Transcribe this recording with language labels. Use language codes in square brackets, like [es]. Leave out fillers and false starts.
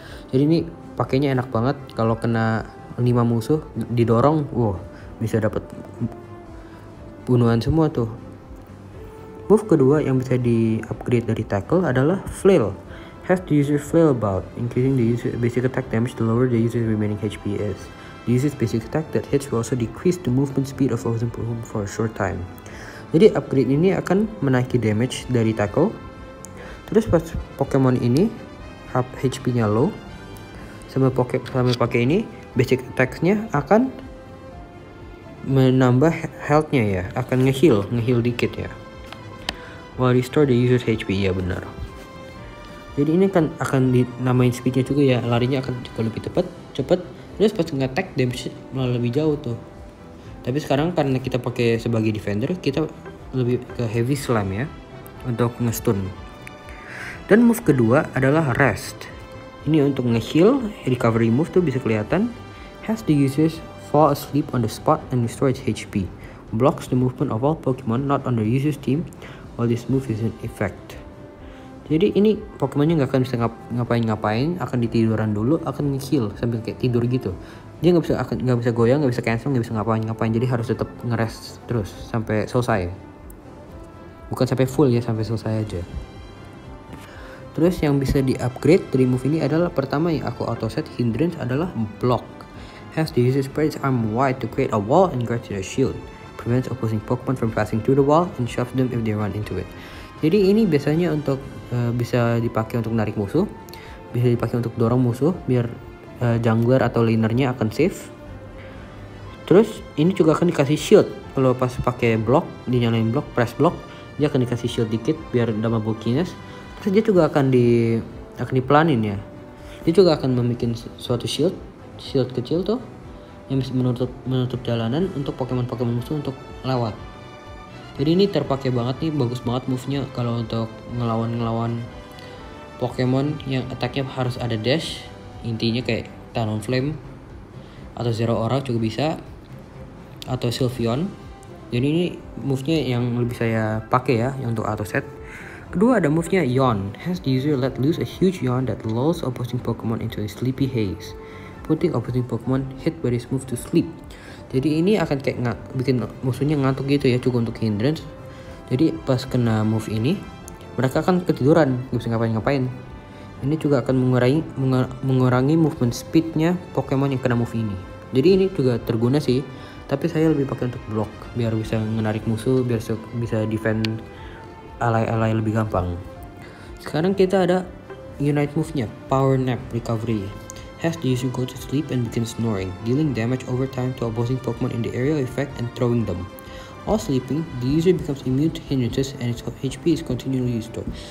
[id] Jadi ini pakainya enak banget kalau kena 5 musuh didorong, wow, bisa dapat bunuhan semua tuh. Move kedua yang bisa di upgrade dari tackle adalah Flail. [en] Has the user flail about, increasing the user basic attack damage the lower the user's remaining HP is. The user's basic attack that hits will also decrease the movement speed of opposing Pokemon for a short time. [id] Jadi upgrade ini akan menaiki damage dari tackle. Terus pas Pokemon ini HP-nya low, sama pakai ini basic attack-nya akan menambah health-nya ya, akan nge-heal dikit ya. [en] While restore the user's HP, [id] ya benar. Jadi ini kan akan dinamain speednya juga ya, larinya akan juga lebih cepat. Terus pas nge-attack damage malah lebih jauh tuh. Tapi sekarang karena kita pakai sebagai defender, kita lebih ke heavy slam ya untuk nge-stun. Dan move kedua adalah rest. Ini untuk nge-heal, recovery move tuh bisa kelihatan. [en] Has the user fall asleep on the spot and restore its HP. Blocks the movement of all Pokemon not on the user's team while this move is in effect. [id] Jadi ini Pokemonnya nggak akan bisa ngapain-ngapain, akan ditiduran dulu, akan nge-heal sambil kayak tidur gitu. Dia nggak bisa goyang, nggak bisa cancel, nggak bisa ngapain-ngapain. Jadi harus tetap ngerest terus sampai selesai. Bukan sampai full ya, sampai selesai aja. Terus yang bisa di upgrade dari move ini adalah pertama yang aku auto set hindrance adalah block. [en] Has the user spread its arm wide to create a wall and guard their shield, prevents opposing Pokemon from passing through the wall and shoves them if they run into it. [id] Jadi ini biasanya untuk bisa dipakai untuk narik musuh, bisa dipakai untuk dorong musuh biar jungler atau lanernya akan safe. Terus ini juga akan dikasih shield kalau pas pakai block, dinyalain block, press block, dia akan dikasih shield dikit biar damage bulkiness. Terus dia juga akan dipelanin ya. Dia juga akan membuat suatu shield kecil tuh yang bisa menutup jalanan untuk Pokemon musuh untuk lewat. Jadi ini terpakai banget nih, bagus banget move-nya kalau untuk ngelawan Pokemon yang attack-nya harus ada dash. Intinya kayak Talonflame atau Zero Aura juga bisa, atau Sylveon Jadi ini move-nya yang lebih saya pakai ya, yang untuk auto set. Kedua ada move-nya Yawn. [en] Has the user let loose a huge yawn that lulls opposing Pokemon into a sleepy haze, putting opposing Pokemon hit by this move to sleep. [id] Jadi ini akan kayak bikin musuhnya ngantuk gitu ya, cukup untuk hindrance. Jadi pas kena move ini, mereka akan ketiduran, gak bisa ngapain-ngapain. Ini juga akan mengurangi movement speed-nya Pokemon yang kena move ini. Jadi ini juga terguna sih, tapi saya lebih pakai untuk block, biar bisa menarik musuh, biar bisa defend ally-ally lebih gampang. Sekarang kita ada unite move-nya, Power Nap Recovery. [en] Has the user go to sleep and begin snoring, dealing damage over time to opposing Pokemon in the aerial effect and throwing them. While sleeping, the user becomes immune to hindrances and its HP is continually restored.